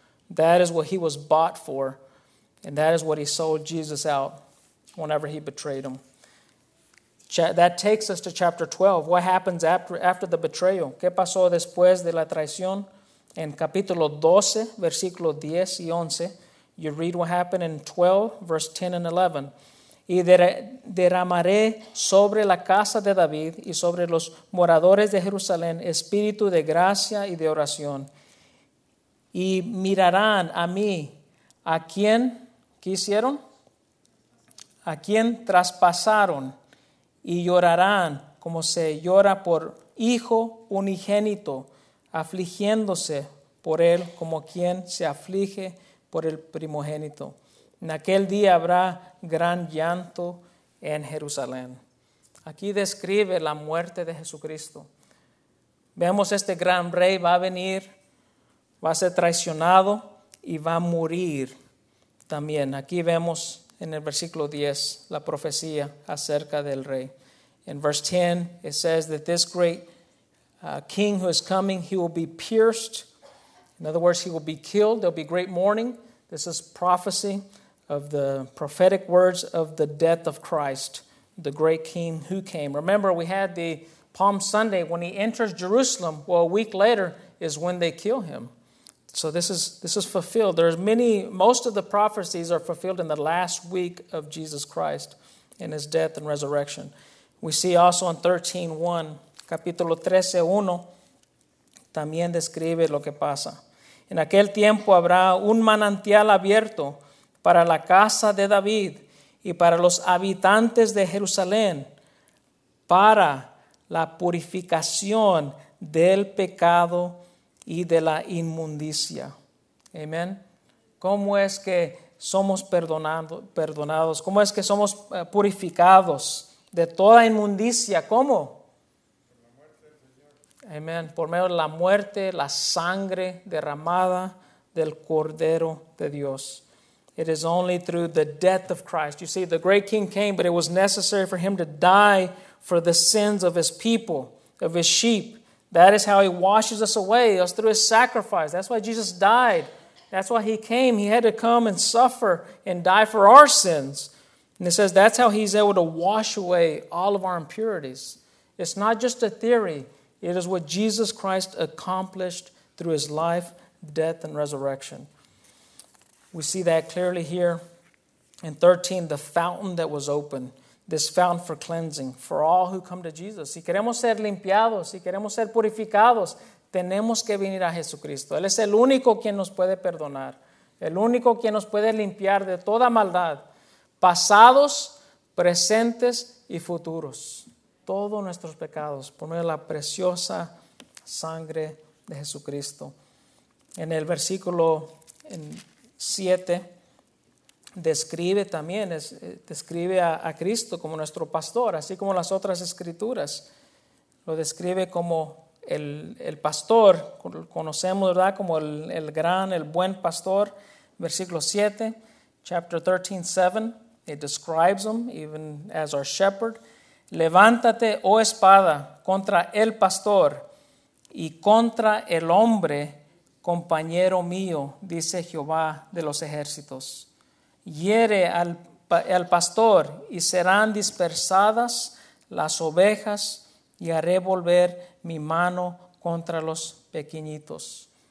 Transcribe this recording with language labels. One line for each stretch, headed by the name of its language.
English: That is what he was bought for. And that is what he sold Jesus out whenever he betrayed him. That takes us to chapter 12. What happens after the betrayal?
Spanish: ¿Qué pasó después de la traición? En capítulo 12, versículo 10 y 11,
English: you read what happened in 12, verse 10 and 11.
Spanish: Y derramaré sobre la casa de David y sobre los moradores de Jerusalén espíritu de gracia y de oración. Y mirarán a mí, a quien, ¿qué hicieron? A quien traspasaron, y llorarán como se llora por hijo unigénito, afligiéndose por él como quien se aflige por el primogénito. En aquel día habrá gran llanto en Jerusalén. Aquí describe la muerte de Jesucristo. Vemos este gran rey va a venir, va a ser traicionado y va a morir también. Aquí vemos en el versículo 10 la profecía acerca del rey.
English: In verse 10 it says that this great king who is coming, he will be pierced. In other words, he will be killed. There will be great mourning. This is prophecy of the prophetic words of the death of Christ, the great king who came. Remember, we had the Palm Sunday when he enters Jerusalem. Well, a week later is when they kill him. So this is fulfilled. Most of the prophecies are fulfilled in the last week of Jesus Christ in his death and resurrection. We see also in 13:1,
Spanish: capítulo 13:1, también describe lo que pasa. En aquel tiempo habrá un manantial abierto para la casa de David y para los habitantes de Jerusalén, para la purificación del pecado y de la inmundicia. Amén. ¿Cómo es que somos perdonados? ¿Cómo es que somos purificados de toda inmundicia? ¿Cómo? Amén. Por medio de la muerte, la sangre derramada del Cordero de Dios.
English: It is only through the death of Christ. You see, the great king came, but it was necessary for him to die for the sins of his people, of his sheep. That is how he washes us away. It was through his sacrifice. That's why Jesus died. That's why he came. He had to come and suffer and die for our sins. And it says that's how he's able to wash away all of our impurities. It's not just a theory. It is what Jesus Christ accomplished through his life, death, and resurrection. We see that clearly here in 13, the fountain that was open. This fountain for cleansing for all who come to Jesus.
Spanish: Si queremos ser limpiados, si queremos ser purificados, tenemos que venir a Jesucristo. Él es el único quien nos puede perdonar. El único quien nos puede limpiar de toda maldad. Pasados, presentes y futuros. Todos nuestros pecados por medio de la preciosa sangre de Jesucristo. En el versículo 7 describe también, describe a Cristo como nuestro pastor, así como las otras escrituras. Lo describe como el pastor, conocemos, ¿verdad?, como el gran, el buen pastor. Versículo 7,
English: chapter 13:7, it describes him even as our shepherd.
Spanish: Levántate, oh espada, contra el pastor y contra el hombre, compañero mío, dice Jehová de los ejércitos. Hiere al pastor y serán dispersadas las ovejas y haré volver mi mano contra los pequeñitos.